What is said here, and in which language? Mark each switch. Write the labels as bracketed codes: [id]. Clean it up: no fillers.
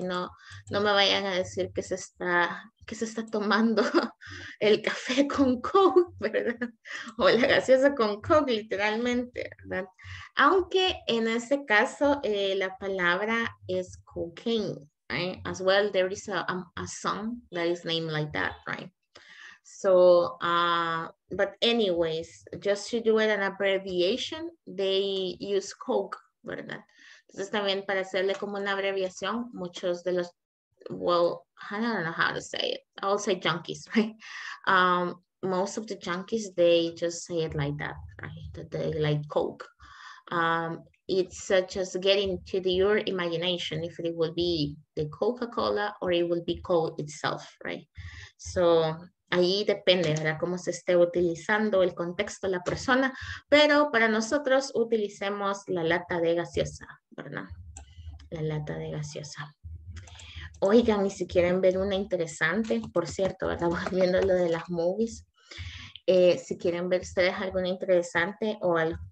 [es] Y no me vayan a decir que se está tomando el café con Coke, ¿verdad? O la gaseosa con Coke, literalmente, ¿verdad? Aunque en ese caso la palabra es cocaine, right? [en] As well, there is a song that is named like that, right? So, but anyways, just to do it an abbreviation, they use Coke, ¿verdad? [es] Entonces también para hacerle como una abreviación, muchos de los, [en] well, I don't know how to say it. I'll say junkies, right? Most of the junkies, they just say it like that, right? That they like Coke. It's just getting to your imagination if it will be the Coca-Cola or it will be Coke itself, right? [es] So, ahí depende, ¿verdad? Cómo se esté utilizando el contexto, la persona. Pero para nosotros utilicemos la lata de gaseosa, ¿verdad? La lata de gaseosa. Oigan, y si quieren ver una interesante, por cierto, ¿verdad? Volviendo a lo de las movies. Si quieren ver ustedes alguna interesante o algo.